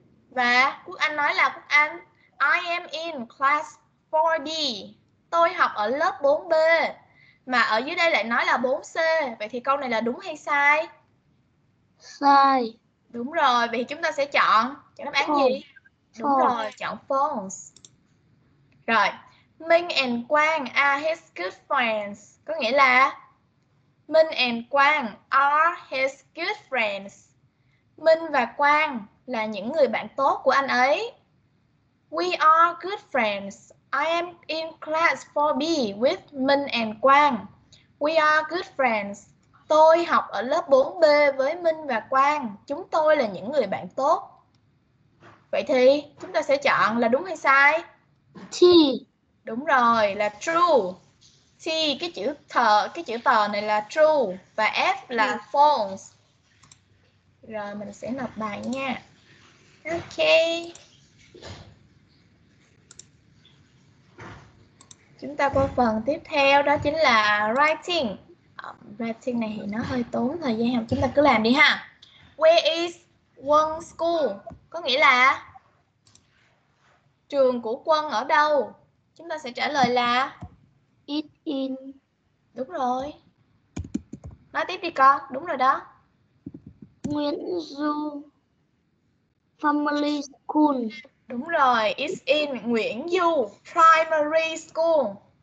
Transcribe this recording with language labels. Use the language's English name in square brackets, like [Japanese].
[Vietnamese] Và Quốc Anh nói là Quốc Anh, [English] I am in class 4D. [Vietnamese] Tôi học ở lớp 4B. Mà ở dưới đây lại nói là 4C. Vậy thì câu này là đúng hay sai? Sai. Đúng rồi, vậy chúng ta sẽ chọn. Chọn đáp án gì? Đúng rồi, chọn false. [English] Rồi, Minh and Quang are his good friends. [Vietnamese] Có nghĩa là [English] Minh and Quang are his good friends. [Vietnamese] Minh và Quang là những người bạn tốt của anh ấy. [English] We are good friends. I am in class 4B with Minh and Quang. We are good friends. [Vietnamese] Tôi học ở lớp 4B với Minh và Quang. Chúng tôi là những người bạn tốt. Vậy thì chúng ta sẽ chọn là đúng hay sai? [English] T. [Vietnamese] Đúng rồi, là true. T, cái chữ tờ này là true. Và F là false. Rồi mình sẽ nộp bài nha. Ok. Chúng ta qua phần tiếp theo, đó chính là writing. Writing này thì nó hơi tốn thời gian, chúng ta cứ làm đi ha. [English] Where is Quân's school? [Vietnamese] Có nghĩa là trường của Quân ở đâu? Chúng ta sẽ trả lời là [English] it in. [Vietnamese] Đúng rồi. Nói tiếp đi con, đúng rồi đó. [English] Nguyễn Du Family School. [Vietnamese] Đúng rồi, [English] it's in Nguyễn Du Primary School.